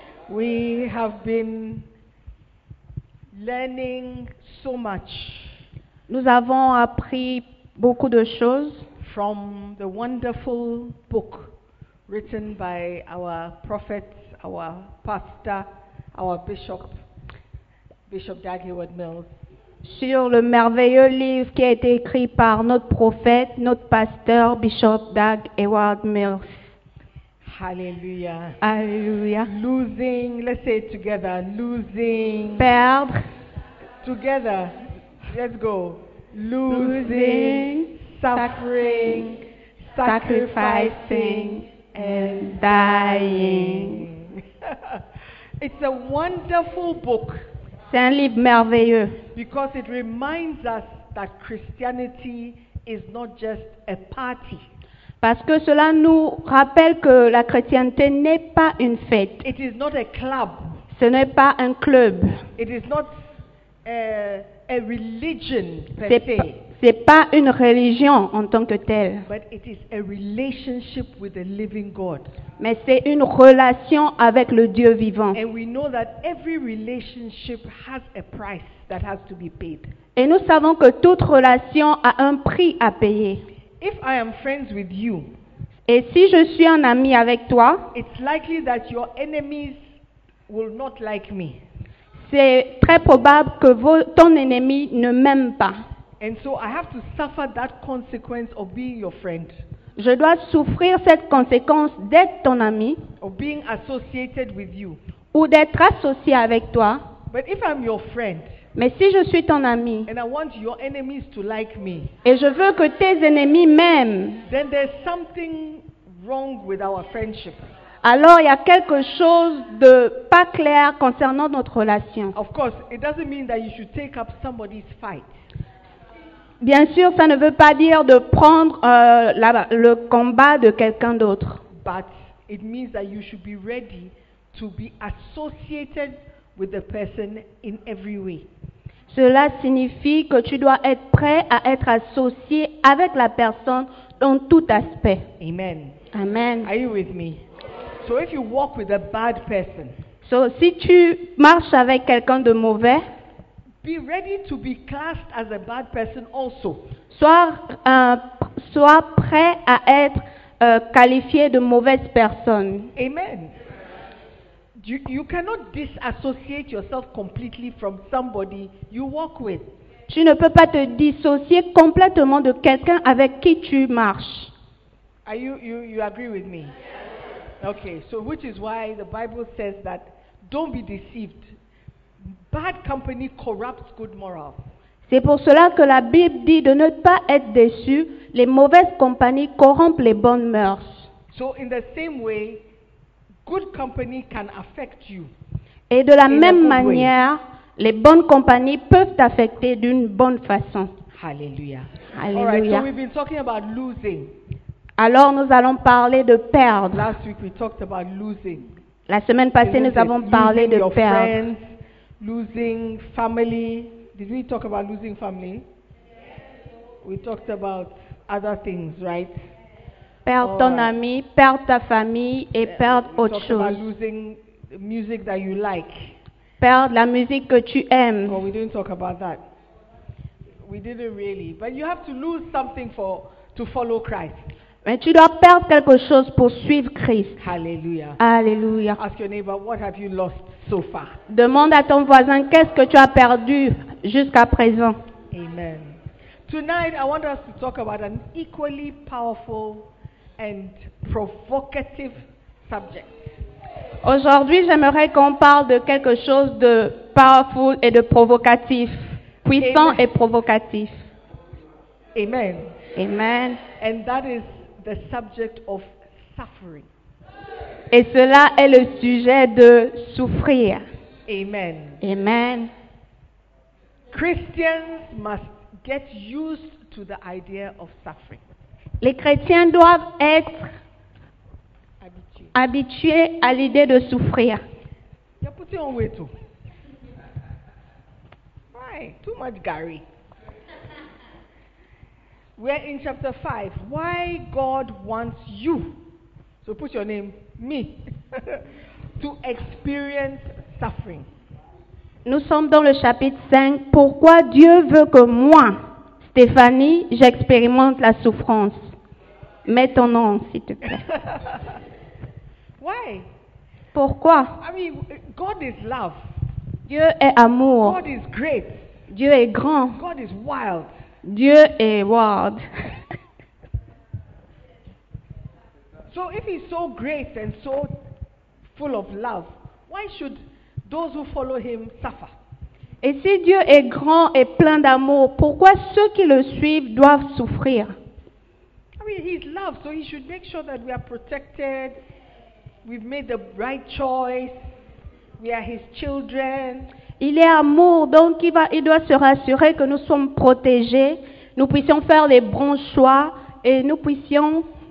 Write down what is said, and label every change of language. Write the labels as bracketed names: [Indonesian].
[English] We have been learning so much. [French] Nous avons appris beaucoup de choses [English] from the wonderful book written by our prophet, our pastor, our bishop, Bishop Dag Howard Mills. [French] sur le merveilleux livre qui a été écrit par notre prophète, notre pasteur, Bishop Doug Edward Mills. [English] Hallelujah. Hallelujah. Losing, let's say it together, losing. [French] Perdre. [English] Together, let's go. Losing, suffering, sacrificing, and dying. It's a wonderful book. [French] C'est un livre merveilleux. [English] Because it reminds us that Christianity is not just a party. [French] Parce que cela nous rappelle que la chrétienté n'est pas une fête. [English] It is not a club. [French] Ce n'est pas un club. [English] It is not a religion per se. [French] C'est pas une religion en tant que telle. [English] But it is a relationship with the living God. [French] Mais c'est une relation avec le Dieu vivant. [English] And we know that every relationship has a price that has to be paid. [French] Et nous savons que toute relation a un prix à payer. [English] If I am friends with you, [French] et si je suis un ami avec toi, [English] it's likely that your enemies will not like me. [French] C'est très probable que ton ennemi ne m'aime pas. [English] And so I have to suffer that consequence of being your friend. [French] Je dois souffrir cette conséquence d'être ton ami. [English] Of being associated with you. [French] Ou d'être associé avec toi. [English] But if I'm your friend. [French] Mais si je suis ton ami. [English] And I want your enemies to like me. [French] Et je veux que tes ennemis m'aiment. [English] Then there's something wrong with our friendship. [French] Alors, il y a quelque chose de pas clair concernant notre relation. [English] Of course, it doesn't mean that you should take up somebody's fight. [French] Bien sûr, ça ne veut pas dire de prendre le combat de quelqu'un d'autre. [English] But it means that you should be ready to be associated with the person in every way. [French] Cela signifie que tu dois être prêt à être associé avec la personne dans tout aspect. [English] Amen. Amen. Are you with me? So if you walk with a bad person, [French] so si tu marches avec quelqu'un de mauvais, [English] be ready to be classed as a bad person also. [French] Sois prêt à être qualifié de mauvaise personne. [English] Amen. You cannot disassociate yourself completely from somebody you walk with. Tu ne peux pas te dissocier complètement de quelqu'un avec qui tu marches. Are you agree with me? Okay, so which is why the Bible says that don't be deceived. Bad company corrupts good morals. [French] C'est pour cela que la Bible dit de ne pas être déçu. Les mauvaises compagnies corrompent les bonnes mœurs. [English] So in the same way, good company can affect you. [French] Et de la même manière, les bonnes compagnies peuvent t'affecter d'une bonne façon. [English] Hallelujah. Hallelujah. All right, so we've been talking about losing. [French] Alors, nous allons parler de perdre. [English] Last week we talked about losing. [French] La semaine passée, nous avons parlé de perdre. [English] Friends, losing family. Did we talk about losing family? We talked about other things, right? [French] Perdre ton ami, perdre ta famille et perdre autre chose. [English] We talked about losing music that you like. [French] Perdre la musique que tu aimes. [English] Well, we didn't talk about that. We didn't really. But you have to lose something to follow Christ. [French] Mais tu dois perdre quelque chose pour suivre Christ. [English] Hallelujah. Hallelujah. Ask your neighbor, what have you lost so far? [French] Demande à ton voisin, qu'est-ce que tu as perdu jusqu'à présent? [English] Amen. Tonight, I want us to talk about an equally powerful and provocative subject. [French] Aujourd'hui, j'aimerais qu'on parle de quelque chose de powerful et de provocatif, puissant. Amen. Et provocatif. [English] Amen. Amen. And that is the subject of suffering. [French] Et cela est le sujet de souffrir. [English] Amen. Amen. Christians must get used to the idea of suffering. [French] Les chrétiens doivent être habitués à l'idée de souffrir. [English] You're putting on weight too. Why? Too much Gary. We're in chapter 5. Why God wants you, so put your name, me, to experience suffering. [French] Nous sommes dans le chapitre 5. Pourquoi Dieu veut que moi, Stéphanie, j'expérimente la souffrance? Mets ton nom, s'il te plaît. [English] Why? [French] Pourquoi? [English] I mean, God is love. [French] Dieu est amour. [English] God is great. [French] Dieu est grand. [English] God is wild. [French] Dieu est wild. [English] So if he's so great and so full of love, why should those who follow him suffer? [French] Et si Dieu est grand et plein d'amour, pourquoi ceux qui le suivent doivent souffrir? [English] I mean, he's love, so he should make sure that we are protected. We've made the right choice. We are his children. [French] Il est amour, donc il doit se rassurer que nous sommes protégés, nous puissions faire les bons choix et nous puissions